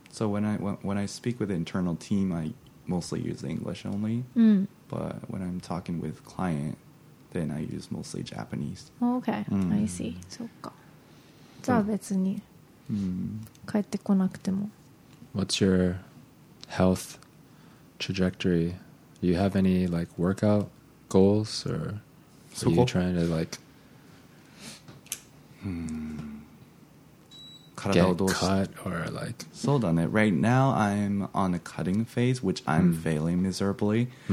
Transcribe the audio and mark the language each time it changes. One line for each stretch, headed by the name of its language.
English: So when I speak with the internal team, I mostly use English only. But when I'm talking with client, then I use mostly Japanese. Okay, I see.
Japanese: そっか。じゃあ別に帰ってこなくても。
English: What's your health trajectory? Do you have any like workout goals or are you trying to like get cut or like?
Japanese: そうだね。
English: Right now I'm on a cutting phase, which I'm failing miserably.